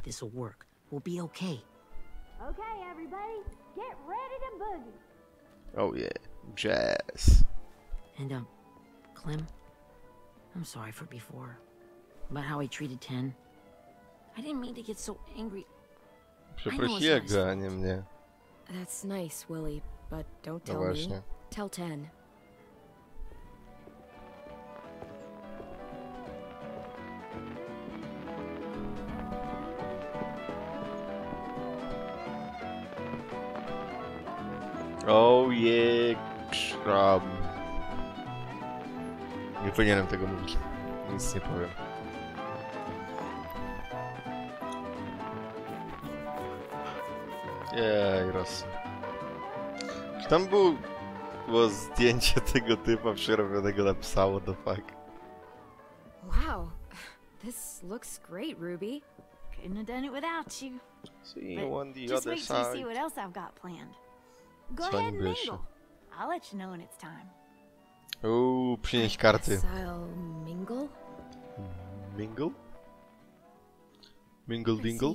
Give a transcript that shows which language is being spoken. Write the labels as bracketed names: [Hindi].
[English] This will work. We'll be okay. Okay, everybody, get ready to boogie. Oh yeah, jazz. And Clem, I'm sorry for before. About how he treated Ten. I didn't mean to get so angry. [Polish] Przeprosiłego, a nie mnie. [English] That's nice, Willy, but don't tell me. Tell Ten. Oh yeah, crab. [Polish] Nie powinienem tego mówić. Nic nie powiem. Jej, Rosy. Czy tam było zdjęcie tego typa przerobionego na psa, [English] what the fuck? Wow, this looks great, Ruby. Couldn't have done it without you. See you on the other side. Just wait till you see what else I've got planned. Go ahead and mingle. I'll let you know when it's time. [Polish] Ooh, przynieś karty. [English] Mingle dingle.